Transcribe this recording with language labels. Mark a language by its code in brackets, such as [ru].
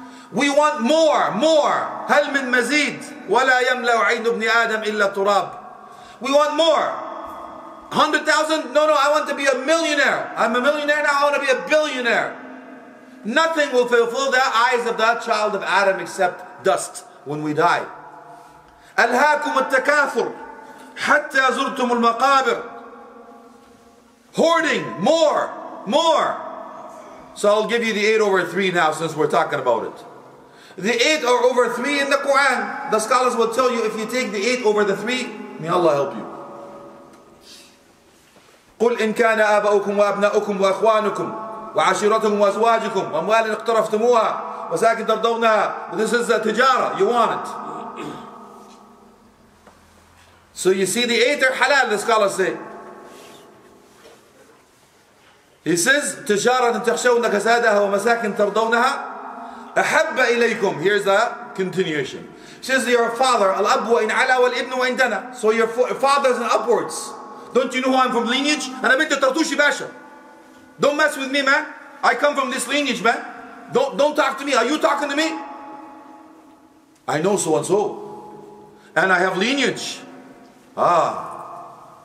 [en] We want more, more. [ar] هَلْ مِنْ مَزِيدٍ وَلَا يَمْلَوْ عَيْنُ ابْنِ آدَمْ إِلَّا تُرَابٍ. [en] We want more. 100,000? No, I want to be a millionaire. I'm a millionaire now, I want to be a billionaire. Nothing will fulfill the eyes of that child of Adam except dust when we die. [ar] أَلْهَاكُمُ التَّكَاثُرُ حَتَّى زُرْتُمُ الْمَقَابِرُ. [en] Hoarding, more, more. So I'll give you the 8/3 now since we're talking about it. The 8/3 in the Quran, the scholars will tell you if you take the 8/3, may Allah help you. [ar] قُلْ إِنْ كَانَ آبَاؤُكُمْ وَأَبْنَاؤُكُمْ وَأَخْوَانُكُمْ وَعَشِرَتُكُمْ وَأَزْوَاجُكُمْ وَأَمْوَالٍ اقْتَرَفْتُمُوهَا وَسَاكِنٍ تَرْضَوْنَهَا. [en] This is a tijara, you want it. So you see the 8 are halal, the scholars say. He says, [ar] تِجَارَةً تَخْشَوْنَ كَسَادَهَا وَمَسَاكِنْ تَرْضَوْنَهَا أَحَبَّ إِلَيْكُمْ. [en] Here's the continuation. He says, your father, [ar] الْأَبُّ وَإِنْ عَلَى وَالْإِبْنُ وَإِنْ دَنَى. [en] So your fathers and upwards. Don't you know who I'm from lineage? And I'm into Tartushi Basha. Don't mess with me, man. I come from this lineage, man. Don't talk to me. Are you talking to me? I know so and so. And I have lineage. Ah.